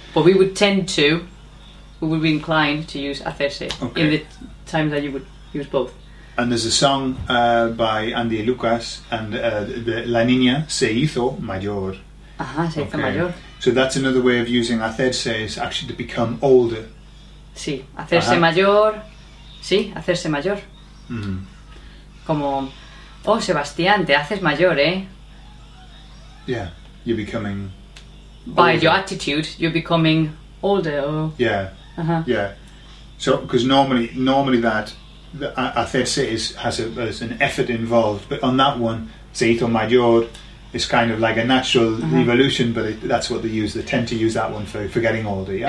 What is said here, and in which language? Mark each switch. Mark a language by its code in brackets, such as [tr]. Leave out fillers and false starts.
[en] But we would be inclined to use hacerse in the times that you would use both. And there's a song by Andy Lucas, and the [es] La Niña se hizo mayor. Mayor. [en] So that's another way of using hacerse, is actually to become older. [es] Sí, hacerse mayor. Sí, hacerse mayor. Mm-hmm. Como, oh, Sebastián, te haces mayor, ¿eh? [en] Yeah, you're becoming older. By your attitude, you're becoming older. Yeah. So, because normally that hacerse has an effort involved, but on that one, [es] se hizo mayor. [en] It's kind of like a natural evolution, but that's what they use. They tend to use that one for getting older, yeah?